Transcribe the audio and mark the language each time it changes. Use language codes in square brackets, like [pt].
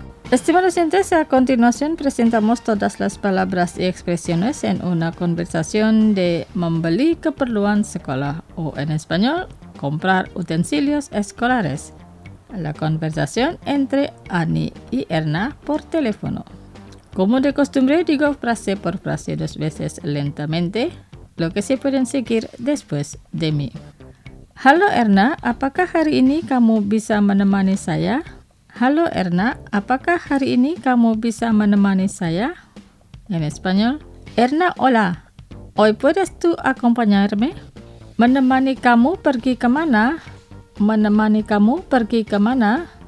[es] Estimados oyentes, a continuación presentamos todas las palabras y expresiones en una conversación de [id] membeli keperluan sekolah, [es] o en español, comprar utensilios escolares. La conversación entre Ani y Erna por teléfono. Como de costumbre, digo frase por frase dos veces lentamente, lo que se pueden seguir después de mí. [id] Halo Erna, ¿apakah hari ini kamu bisa menemani saya? Halo Erna, apakah hari ini kamu bisa menemani saya? [es] En español. Erna, hola. Hoy puedes tú acompañarme? [id] Menemani kamu pergi kemana? Menemani kamu pergi kemana?